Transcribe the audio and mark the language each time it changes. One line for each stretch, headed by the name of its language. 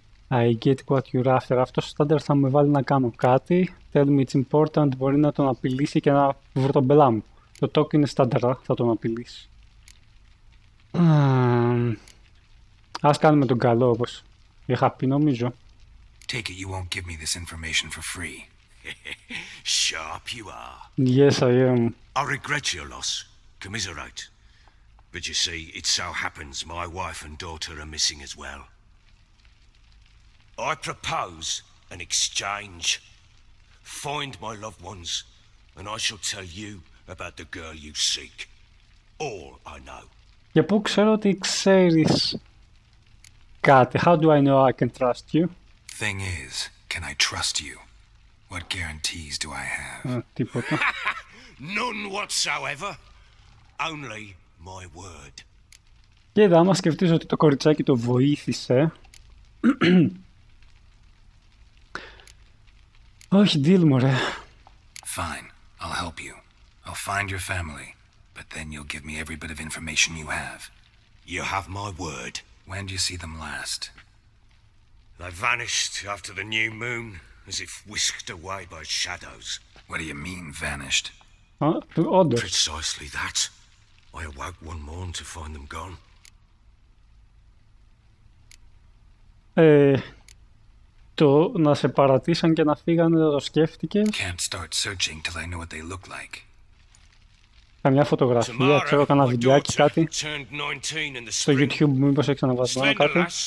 English: I get what you're after.
Greek: Αυτό ο στάντερ θα με βάλει να κάνω κάτι.
English: Tell me it's important.
Greek: Μπορεί να τον απειλήσει και να βρω τον μπελά μου. Το talk είναι στάντερ, θα τον απειλήσει. Ας κάνουμε τον καλό όπως είχα πει, νομίζω.
English: Take it you won't give me this information for free. Sharp you are. Yes, I am. I regret your loss. Commiserate. But you see, it so happens my wife and daughter are missing as well. I propose an exchange. Find my loved ones, and I shall tell you about the girl you seek. All I know.
Greek: Για πού ξέρω ότι ξέρεις κάτι.
English: How do I know I can trust you? Thing is, can I trust you? What guarantees do I have?
Greek: Τίποτα.
English: None whatsoever. Only... My word.
Greek: Και εδώ άμα σκεφτείς ότι το κοριτσάκι το βοήθησε. Όχι, deal, μωρέ.
English: Fine, I'll help you. I'll find your family. but then you'll give me every bit of information you have. You have my word. When do you see them last? They vanished after the new moon, as if whisked away by shadows. What do you mean, vanished? Precisely that. I awoke one morn to find them gone.
Greek: Το να σε παρατήσαν και να φύγανε, το σκέφτηκες?
English: Can't start searching till I know what they look like.
Greek: Καμιά φωτογραφία, ξέρω, κανένα βιντεάκι, κάτι. Στο YouTube μήπως έχεις αναβασμένο κάτι.